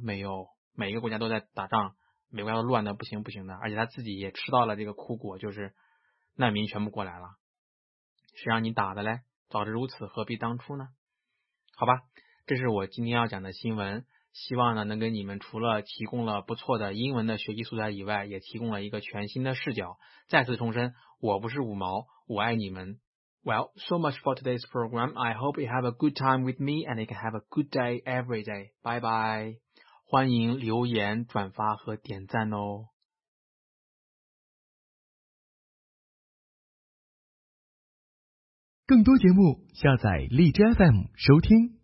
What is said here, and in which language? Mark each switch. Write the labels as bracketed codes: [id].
[zh] 没有，每一个国家都在打仗，每个国家都乱的不行不行的，而且他自己也吃到了这个苦果，就是难民全部过来了，谁让你打的嘞？早知如此何必当初呢？好吧，这是我今天要讲的新闻，希望呢能给你们除了提供了不错的英文的学习素材以外，也提供了一个全新的视角。再次重申，我不是五毛，我爱你们。 [en] Well, so much for today's program. I hope you have a good time with me and you can have a good day every day. Bye bye. [zh] 欢迎留言、转发和点赞哦。更多节目，下载荔枝 FM 收听。